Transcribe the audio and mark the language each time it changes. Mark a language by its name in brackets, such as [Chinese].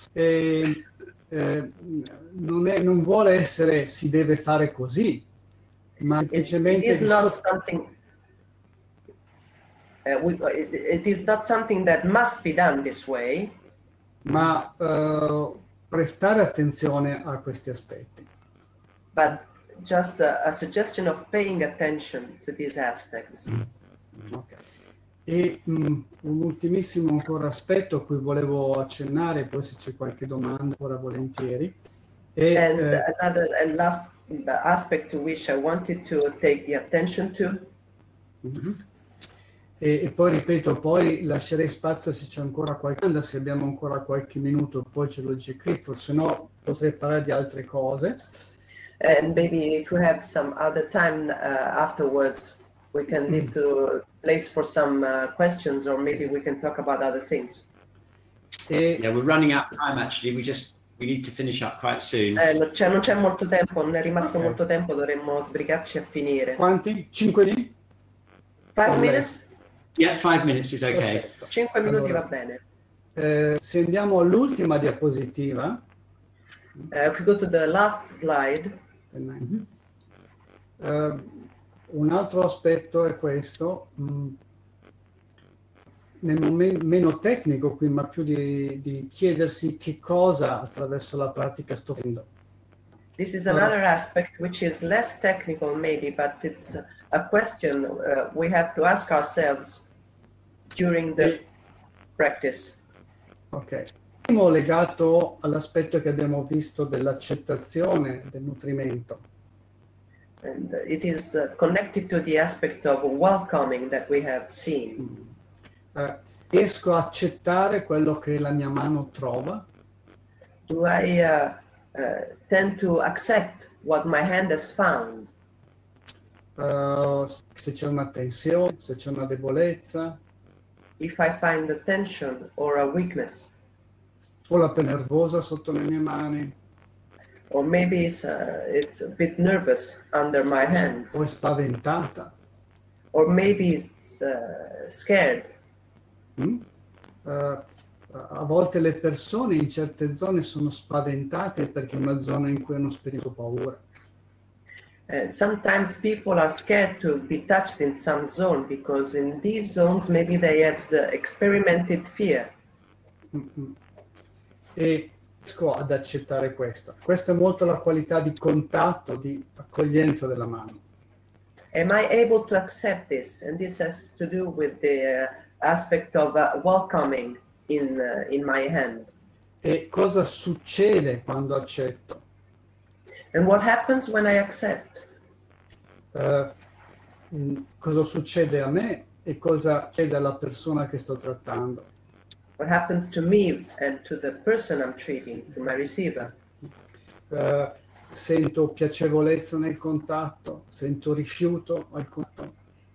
[Italian] Non vuole essere si deve fare così, ma semplicemente [English] it is not something. It is not something that must be done this way. [Italian] Ma prestare attenzione a questi aspetti. [English] But just a suggestion of paying attention to these aspects. Okay. [Italian] E un ultimissimo ancora aspetto a cui volevo accennare, poi se c'è qualche domanda ora volentieri. [English] And last aspect to which I wanted to take the attention to. Mm-hmm. [Italian] E poi ripeto, poi lascerei spazio se c'è ancora qualche domanda, se abbiamo ancora qualche minuto, poi ce lo dice Clifford, se no potrei parlare di altre cose. [English] And maybe if we have some other time afterwards, we can leave to place for some questions, or maybe we can talk about other things. Yeah, we're running out of time actually, we need to finish up quite soon. [Italian] Non c'è molto tempo, non è rimasto okay. Molto tempo, dovremmo sbrigarci a finire. Quanti? 5 di? [English] 5 minutes? Yeah, 5 minutes is okay. [Italian] 5 minuti allora, va bene. Se andiamo all'ultima diapositiva. [English] If we go to the last slide. Mm-hmm. [Italian] Un altro aspetto è questo, nel momento meno tecnico qui, ma più di chiedersi che cosa attraverso la pratica sto facendo. [English] This is another aspect which is less technical maybe, but it's a question we have to ask ourselves during the practice. Ok. [Italian] Primo legato all'aspetto che abbiamo visto dell'accettazione del nutrimento. [English] And it is connected to the aspect of welcoming that we have seen. [Italian] Riesco a accettare quello che la mia mano trova? [English] Do I tend to accept what my hand has found? [Italian] Se c'è una tensione, se c'è una debolezza. [English] If I find a tension or a weakness. [Italian] O la pelle nervosa sotto le mie mani. [English] Or maybe it's a bit nervous under my hands. [Italian] O è spaventata. [English] Or maybe it's scared. [Italian] A volte le persone in certe zone sono spaventate perché è una zona in cui hanno sperimentato paura. [English] Sometimes people are scared to be touched in some zone because in these zones maybe they have experimented fear. [Italian] E riesco ad accettare questo. Questa è molto la qualità di contatto, di accoglienza della mano. [English] Am I able to accept this? And this has to do with the aspect of welcoming in my hand. [Italian] E cosa succede quando accetto? [English] And what happens when I accept? [Italian] Cosa succede a me e cosa succede alla persona che sto trattando? [English] What happens to me and to the person I'm treating, to my receiver? [Italian] Sento piacevolezza nel contatto, sento rifiuto al contatto.